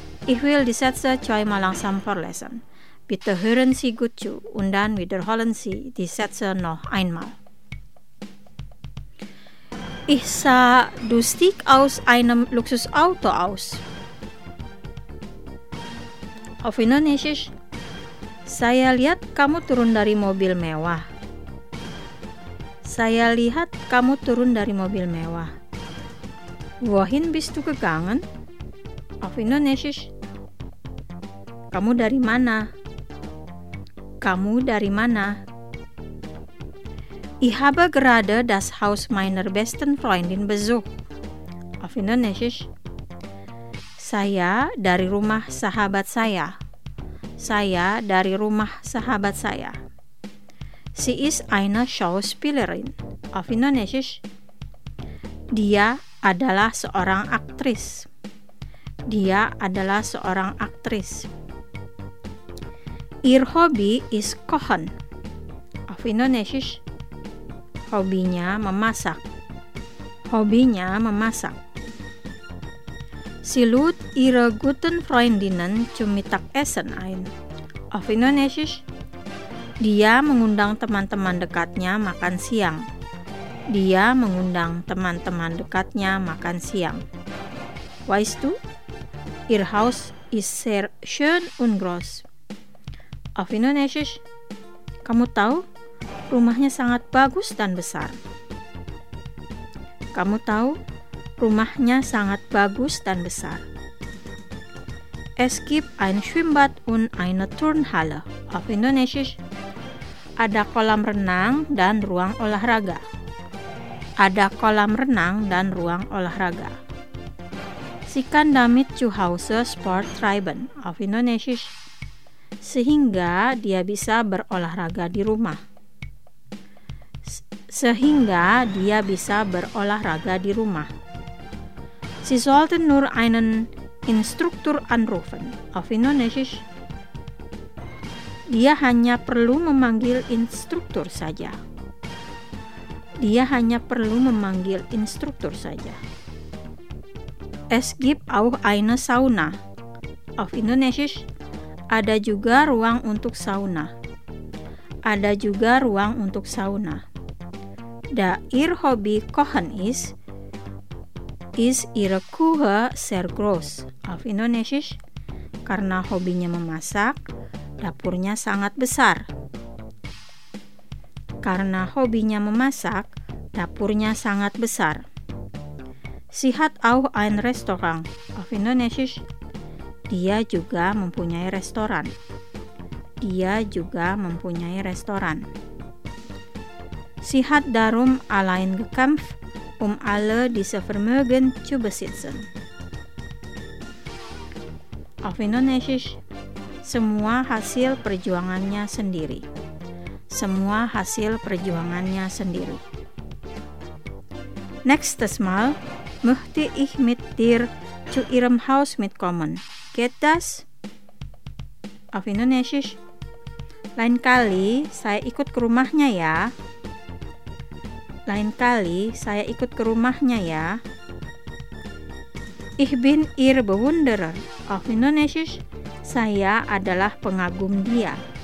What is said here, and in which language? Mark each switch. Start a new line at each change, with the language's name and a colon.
German: Ich will die Sätze zweimal langsam vorlesen. Bitte hören Sie gut zu und dann wiederholen Sie die Sätze noch einmal. Ich sah, du stiegst aus einem Luxusauto aus. Auf Indonesisch,
Indonesian: saya lihat kamu turun dari mobil mewah. Saya lihat kamu turun dari mobil mewah.
German: Wohin bist du gegangen?
Indonesian: Auf Indonesisch, kamu dari mana? Kamu dari mana?
German: Ich habe gerade das Haus meiner besten Freundin besucht. Auf Indonesisch.
Indonesian: Saya dari rumah sahabat saya. Saya dari rumah sahabat saya.
German: Sie ist eine Schauspielerin. Auf Indonesisch.
Indonesian: Dia adalah seorang aktris. Dia adalah seorang aktris.
German: Ir hobby is kochen. Of Indonesisch.
Indonesian: Hobinya memasak. Hobinya memasak.
German: Sie lud ihre guten Freundinnen zum Mittagessen ein. Auf Indonesisch.
Indonesian: Dia mengundang teman-teman dekatnya makan siang. Dia mengundang teman-teman dekatnya makan siang.
German: Weißt du, ihr Haus ist sehr schön und groß. Auf Indonesisch.
Indonesian: Kamu tahu, rumahnya sangat bagus dan besar. Kamu tahu, rumahnya sangat bagus dan besar.
German: Es gibt ein Schwimmbad und eine Turnhalle. Auf Indonesisch.
Indonesian: Ada kolam renang dan ruang olahraga. Ada kolam renang dan ruang olahraga.
German: Sie kann damit zu Hause Sport treiben. Auf Indonesisch.
Indonesian: Sehingga dia bisa berolahraga di rumah. Sehingga dia bisa berolahraga di rumah.
German: Sie sollten nur einen Instruktor anrufen. Auf Indonesisch.
Indonesian: Dia hanya perlu memanggil instruktur saja. Dia hanya perlu memanggil instruktur saja.
German: Es gibt auch eine Sauna. Auf Indonesisch.
Indonesian: Ada juga ruang untuk sauna. Ada juga ruang untuk sauna.
German: Da ihr Hobby kochen ist, ist ihre Küche sehr groß. Auf Indonesisch.
Indonesian: Karena hobinya memasak, dapurnya sangat besar. Karena hobinya memasak, dapurnya sangat besar.
German: Sie hat auch ein Restaurant. Auf Indonesisch.
Indonesian: Dia juga mempunyai restoran. Dia juga mempunyai restoran.
German: Sie hat darum allein gekämpft, alle diese Vermögen zu besitzen. Auf Indonesisch.
Indonesian: Semua hasil perjuangannya sendiri. Semua hasil perjuangannya sendiri.
German: Nächstes Mal möchte ich mit dir zu ihrem Haus mitkommen. Geht das? Auf Indonesisch.
Indonesian: Lain kali saya ikut ke rumahnya ya. Lain kali saya ikut ke rumahnya ya.
German: Ich bin ihr Bewunderer. Auf Indonesisch.
Indonesian: Saya adalah pengagum dia.